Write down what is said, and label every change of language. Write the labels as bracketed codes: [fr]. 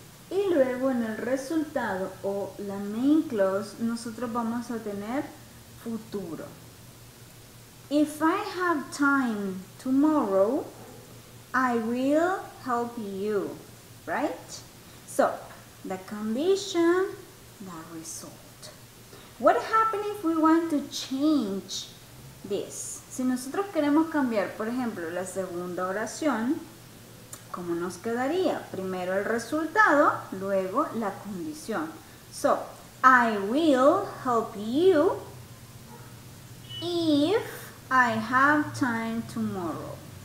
[es] Y luego en el resultado o la main clause, nosotros vamos a tener futuro. [en] If I have time tomorrow, I will help you, right? So, the condition, the result. What happens if we want to change this? [es] Si nosotros queremos cambiar, por ejemplo, la segunda oración, ¿cómo nos quedaría? Primero el resultado, luego la condición. [en] So, I will help you if I have time tomorrow.